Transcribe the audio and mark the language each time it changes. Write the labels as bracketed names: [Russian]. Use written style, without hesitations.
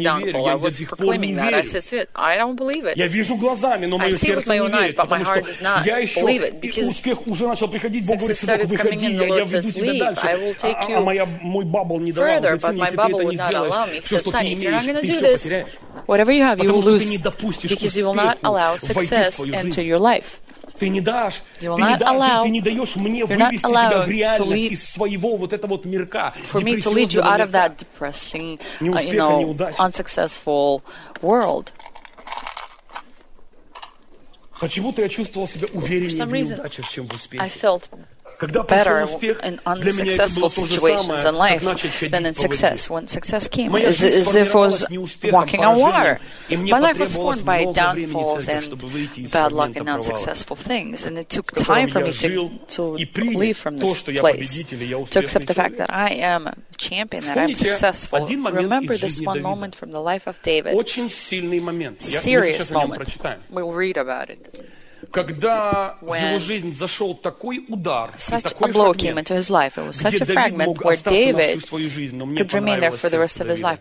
[English] downfall. I was proclaiming that. I said, Свет, I don't believe it. [Russian] Я вижу глазами, но мое сердце не верит, потому что я еще успех уже начал приходить. Бог говорит, Сынок, выходи, я веду тебя дальше. А мой бабл не давал. [English] Further, but my bubble would not allow me. [Russian] Все, что ты имеешь, [English] whatever you have, you will lose because you will not allow success enter your life. You will not allow, you're not allowing to lead for me to lead you out of that depressing, unsuccessful world. For some reason, I felt better in unsuccessful situations in life than in success. When success came, as if I was walking on water. My life was formed by downfalls and bad luck and unsuccessful things, and it took time for me to leave from this place, to accept the fact that I am a champion, that I am successful. Remember this one moment from the life of David. Serious moment. We'll read about it. [Russian] Когда в его жизнь зашел такой удар, [English] such [Russian] такой [English] a blow [Russian] фрагмент, [English] came into his life. It was such a fragment where David could remain there for the rest of his life.